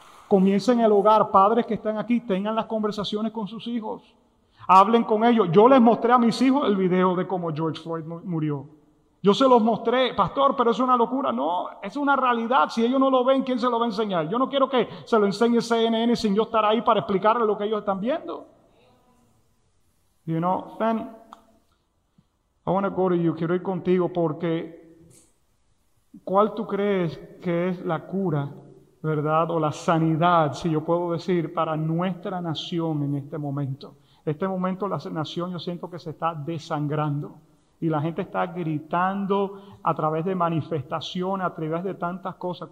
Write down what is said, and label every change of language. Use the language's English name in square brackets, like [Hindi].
[Spanish] Comiencen en el hogar. Padres que están aquí, tengan las conversaciones con sus hijos. Hablen con ellos. Yo les mostré a mis hijos el video de cómo George Floyd murió. Yo se los mostré. Pastor, pero es una locura. No, es una realidad. Si ellos no lo ven, ¿quién se lo va a enseñar? Yo no quiero que se lo enseñe CNN sin yo estar ahí para explicarles lo que ellos están viendo. [English] You know, Ben, I want to go to you. [Spanish] Quiero ir contigo porque ¿cuál tú crees que es la cura, verdad, o la sanidad, si yo puedo decir, para nuestra nación en este momento? Este momento la nación yo siento que se está desangrando y la gente está gritando a través de manifestaciones, a través de tantas cosas.